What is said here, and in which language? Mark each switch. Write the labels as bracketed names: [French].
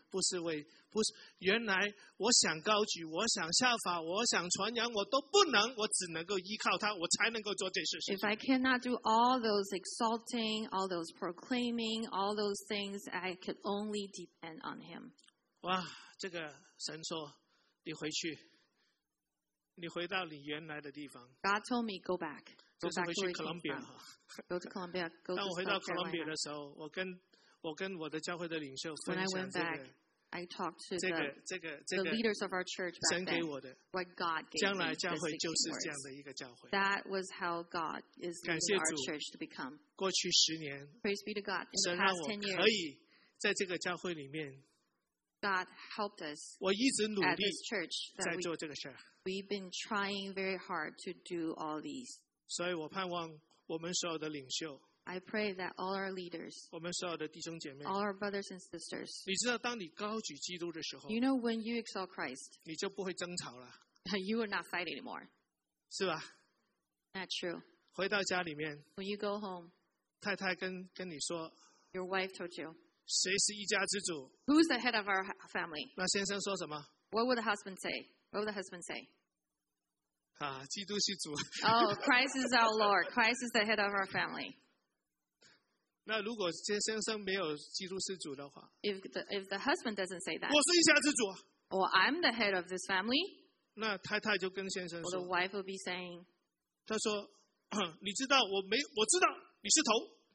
[Chinese] 不是为不是原来我想高举我想效法我想传扬我都不能我只能够依靠他我才能够做这些事情 [English] If I cannot do all those exalting all those proclaiming all those things I could only depend on him [Chinese] 哇这个神说你回去你回到你原来的地方 [English] God told me go back [Chinese] 这是回去哥伦比亚 [English] Go to Columbia go [Chinese] 当我回到哥伦比亚的时候我跟我的教会的领袖分享这个 [English] back, I talked to the leaders of our church back then, [Chinese] 神给我的 [English] what God gave [Chinese] 将来教会就是这样的一个教会 [English] That was how God is leading our church to become [Chinese] 过去十年 [English] Praise be to God in the past [Chinese] 神让我可以在这个教会里面 [English] God helped us [Chinese] 我一直努力 [English] at this church [Chinese] 在做这个事 [English] We've been trying very hard to do all these [Chinese] 所以我盼望我们所有的领袖 [English] I pray that all our leaders, [Chinese] 我们所有的弟兄姐妹 [English] all our brothers and sisters, [Chinese] 你知道当你高举基督的时候 [English] you know when you exalt Christ, [Chinese] 你就不会争吵了 [English] you will not fight anymore, [Chinese] 是吧 [English] not true, [Chinese] 回到家里面 [English] when you go home, [Chinese] 太太跟你说 [English] your wife told you, [Chinese] 谁是一家之主 [English] who's the head of our family, [Chinese] 那先生说什么 [English] what would the husband say, what would the husband say? [Chinese] 啊，基督是主 [English] oh, Christ is our Lord, Christ is the head of our family, [Chinese] 那如果先生没有基督是主的话 [English] if the husband doesn't say that [Chinese] 我是一家之主 [English] or I'm the head of this family [Chinese] 那太太就跟先生说 [English] or the wife will be saying [Chinese] 他说你知道我知道你是头